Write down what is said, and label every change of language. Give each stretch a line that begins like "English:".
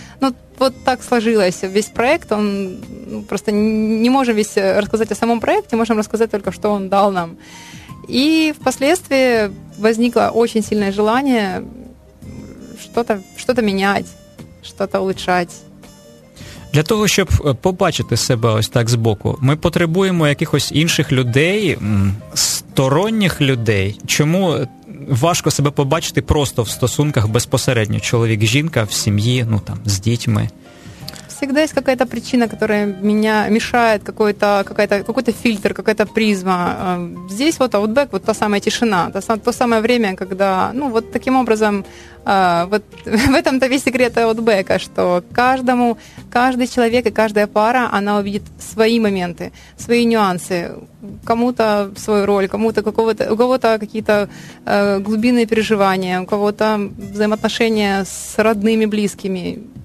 Russian: Ну, вот так сложилось. Весь проект, он просто не можем весь рассказать о самом проекте, можем рассказать только, что он дал нам. И впоследствии возникло очень сильное желание что-то менять, что-то улучшать.
Ukrainian: Для того, щоб побачити себе ось так збоку, ми потребуємо якихось інших людей, сторонніх людей. Чому важко себе побачити просто в стосунках безпосередньо? Чоловік, жінка, в сім'ї, ну там, з дітьми. Завжди є якась причина, яка мені мішає, якийсь фільтр, якась призма.
Russian: Здесь вот Outback, вот та сама тишина,
Ukrainian: то саме
Russian: время, коли, ну, вот таким образом, вот в этом-то весь секрет Outback, что каждый человек и каждая пара, она увидит свои моменты, свои нюансы, кому-то свою роль, кому-то какого-то, у кого-то какие-то глубинные переживания, у кого-то взаимоотношения с родными, близкими.